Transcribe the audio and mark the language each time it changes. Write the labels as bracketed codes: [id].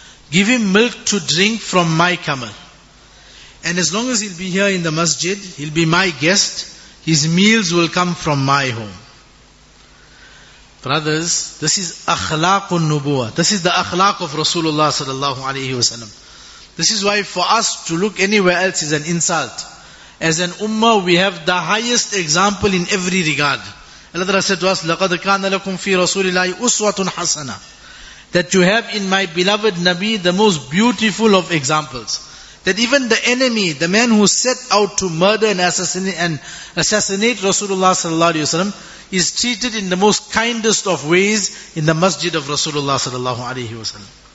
[en] Give him milk to drink from my camel. And as long as he'll be here in the masjid, he'll be my guest, his meals will come from my home. Brothers, this is akhlaqun nubuwa. This is the akhlaq of Rasulullah sallallahu alayhi wasallam. This is why for us to look anywhere else is an insult. As an ummah, we have the highest example in every regard. Allah said to us, [ar] لَقَدْ كَانَ لَكُمْ فِي رَسُولِ اللَّهِ أُسْوَةٌ حَسَنَةٌ. [en] That you have in my beloved Nabi the most beautiful of examples. That even the enemy, the man who set out to murder and assassinate Rasulullah sallallahu alayhi wasallam, is treated in the most kindest of ways in the masjid of Rasulullah sallallahu alayhi wasallam.